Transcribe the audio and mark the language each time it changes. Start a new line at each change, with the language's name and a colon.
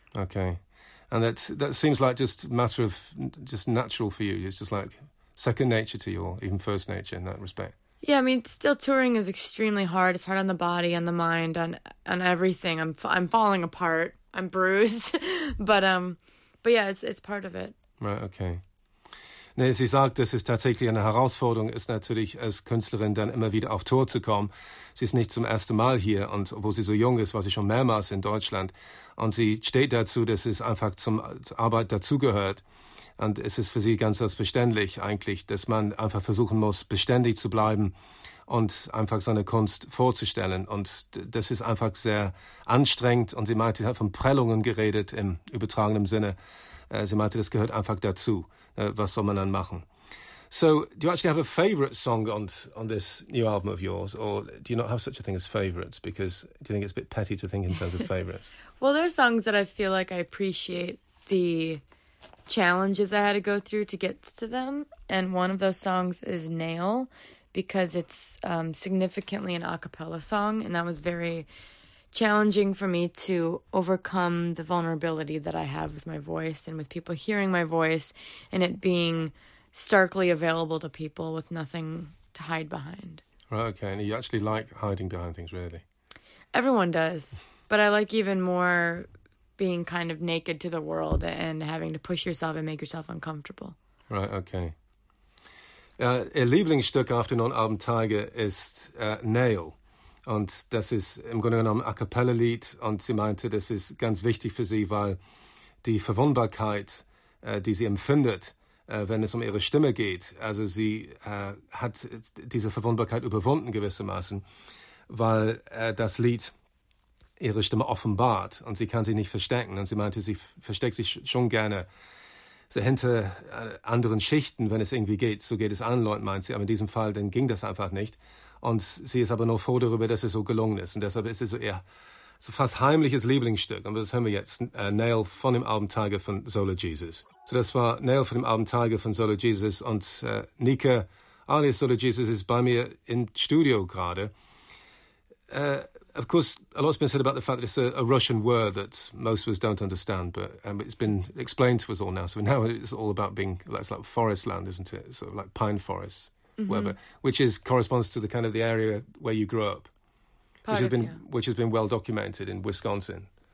English: Okay, and that seems like just a matter of just natural for you. It's just like second nature to you, or even first nature in that respect. Yeah, I mean, still touring is extremely hard. It's hard on the body, on the mind, on everything. I'm falling apart. I'm bruised, but yeah, it's part of it. Right. Okay.
German: Ne, sie sagt, dass es tatsächlich eine Herausforderung ist, natürlich als Künstlerin dann immer wieder auf Tour zu kommen. Sie ist nicht zum ersten Mal hier und obwohl sie so jung ist, war sie schon mehrmals in Deutschland. Und sie steht dazu, dass es einfach zur Arbeit dazugehört. Und es ist für sie ganz selbstverständlich eigentlich, dass man einfach versuchen muss, beständig zu bleiben und einfach seine Kunst vorzustellen. Und das ist einfach sehr anstrengend. Und sie meinte, sie hat von Prellungen geredet im übertragenen Sinne. Sie meinte, das gehört einfach dazu. Was soll man dann machen?
English: So, do you actually have a favorite song on this new album of yours? Or do you not have such a thing as favorites? Because do you think it's a bit petty to think in terms of favorites? Well, there are songs that I feel like I appreciate the challenges I had to go through to get to them. And one of those songs is Nail, because it's significantly an a cappella song. And that was very challenging for me to overcome the vulnerability that I have with my voice and with people hearing my voice and it being starkly available to people with nothing to hide behind. Right, okay. And you actually like hiding behind things, really? Everyone does. But I like even more being kind of naked to the world and having to push yourself and make yourself uncomfortable. Right, okay.
German: Ihr Lieblingsstück auf dem neuen Album Tiger ist Nail. Und das ist im Grunde genommen ein A-Cappella-Lied. Und sie meinte, das ist ganz wichtig für sie, weil die Verwundbarkeit, die sie empfindet, wenn es um ihre Stimme geht, also sie hat diese Verwundbarkeit überwunden gewissermaßen, weil das Lied ihre Stimme offenbart und sie kann sich nicht verstecken. Und sie meinte, sie versteckt sich schon gerne so hinter anderen Schichten, wenn es irgendwie geht. So geht es allen Leuten, meint sie. Aber in diesem Fall, dann ging das einfach nicht. Und sie ist aber nur froh darüber, dass es so gelungen ist. Und deshalb ist es so eher so fast heimliches Lieblingsstück. Und das hören wir jetzt. Nail von dem Album Tiger von Solar Jesus. So das war Nail von dem Album Tiger von Solar Jesus. Und Nika, alias Solar Jesus, ist bei mir im Studio gerade.
English: Of course, a lot's been said about the fact that it's a Russian word that most of us don't understand, but it's been explained to us all now. So now it's all about being, it's like forest land, isn't it? Sort of like pine forests, mm-hmm. whatever, which is corresponds to the kind of the area where you grew up, which has been well documented in Wisconsin.